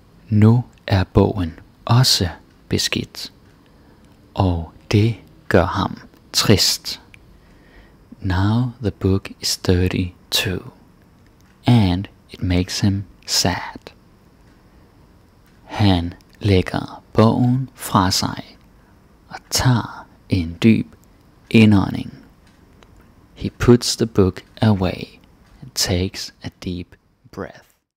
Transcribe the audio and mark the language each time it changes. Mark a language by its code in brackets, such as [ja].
[da] Nu er bogen også beskidt, og det gør ham trist. [en] Now the book is dirty too, and it makes him sad. [da] Han lægger bogen fra sig og tager en dyb indånding. [en] He puts the book away and takes a deep breath.